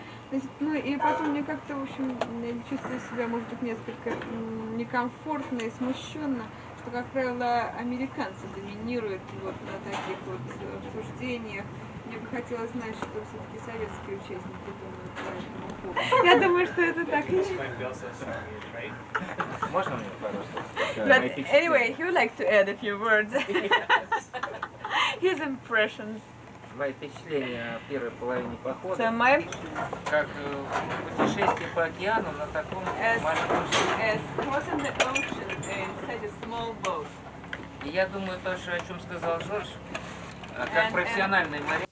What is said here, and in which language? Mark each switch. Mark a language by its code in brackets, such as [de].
[ru] Значит, ну и потом мне как-то, в общем, я чувствую себя, может быть, несколько некомфортно и смущенно, что, как правило, американцы доминируют вот на таких вот обсуждениях. Мне бы хотелось знать, что все-таки советские участники думают по этому поводу. Я думаю, что это так. Можно мне пожалуйста? [en] Anyway, he would like to add a few words. His impressions. [ru] Мои впечатления о первой половине похода. [en] So my... [ru] Как путешествие по океану на таком маленьком судне. И я думаю то же, о чем сказал Жорж, как профессиональный моряк.